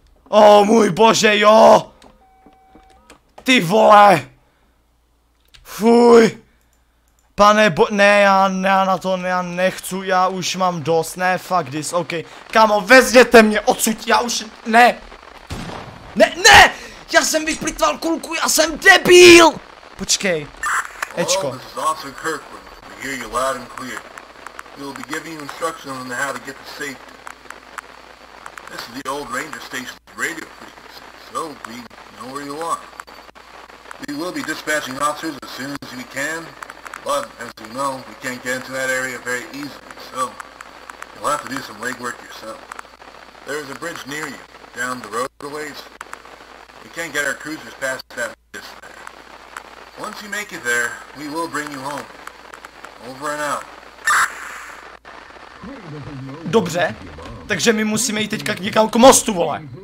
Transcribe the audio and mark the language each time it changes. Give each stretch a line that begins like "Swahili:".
Czech: O můj bože, jo! Ty vole! Fuj! Pane bo... Ne, já na to, já nechci, já už mám dost. Ne,
English: fuck this, ok.
Czech: Kámo, vezměte mě odsud, já už... Ne! Ne, ne! Já jsem vyplitval kulku, já jsem debil! Počkej. Ečko.
English: Hello, this is Officer Kirkland. We hear you loud and clear. We will be giving you instructions on how to get to safety. This is the old ranger station's radio frequency, so we know where you are. We will be dispatching officers as soon as we can, but as you know, we can't get into that area very easily, so you'll have to do some legwork yourself. There is a bridge near you, down the road a ways. We can't get our cruisers past that bridge there. Once you make it there, we will bring you home. Over and out.
Czech: Dobře, takže my musíme jít teďka někam k mostu, vole.